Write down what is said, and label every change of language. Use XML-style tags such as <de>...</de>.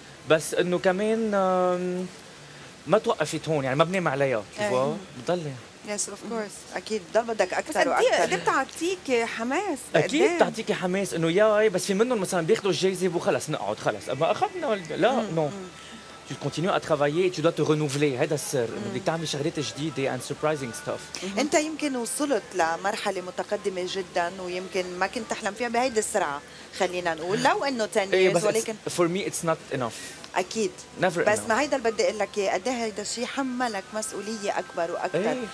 <ar>بس إنه كمان ما توقفت هون، يعني ما بنام عليها، بضل.</ar> <en>yes of course</en> <ar>أكيد بضل بدك أكثر وأكثر. دي بتعطيك حماس. أكيد بتعطيك حماس إنه ياي، بس في منهم مثلاً بياخدوا الجائزة وخلص نقعد خلص، أما أخذنا لا نو.</ar> <fr>tu continues à travailler et tu dois te renouveler.</fr> <ar>هذا السر، بدك تعمل شغلات جديدة</ar> <en>and surprising stuff.</en> <ar>أنت يمكن وصلت لمرحلة متقدمة جدا ويمكن ما كنت تحلم فيها بهيدي السرعة، خلينا نقول لو إنه تاني. ولكن</ar> <en>for me it's not enough.</en> <ar>أكيد</ar> <en>never</en> <ar>بس enough. ما هيدا اللي بدي أقول لك إياه، قد هيدا الشيء حملك مسؤولية أكبر وأكثر.</ar>